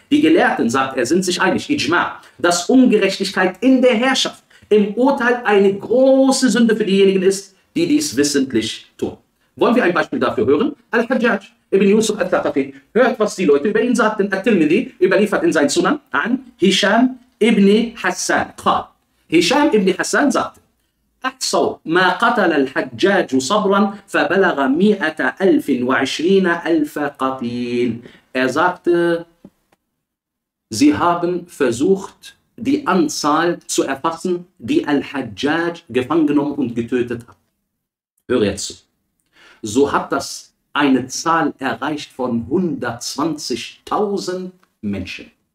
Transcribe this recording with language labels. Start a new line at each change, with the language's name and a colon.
German: Die Gelehrten, sagt er, sind sich einig, Ijma', dass Ungerechtigkeit in der Herrschaft, im Urteil eine große Sünde für diejenigen ist, die dies wissentlich tun. Wollen wir ein Beispiel dafür hören? Al-Hajjaj ibn Yusuf al-Thaqafi hört, was die Leute über ihn sagten. Al-Tirmidhi überliefert in seinen Sunan an Hisham ibn Hassan. Hisham ibn Hassan sagte,
Arabic: أحصوا ما قتل الحجاج صبرا فبلغ 120,000 قتيل.
German: Er sagte, sie haben versucht, die Anzahl zu erfassen, die Al-Hajjaj gefangen genommen und getötet hat. Höre jetzt zu. So hat das eine Zahl erreicht von 120.000 Menschen.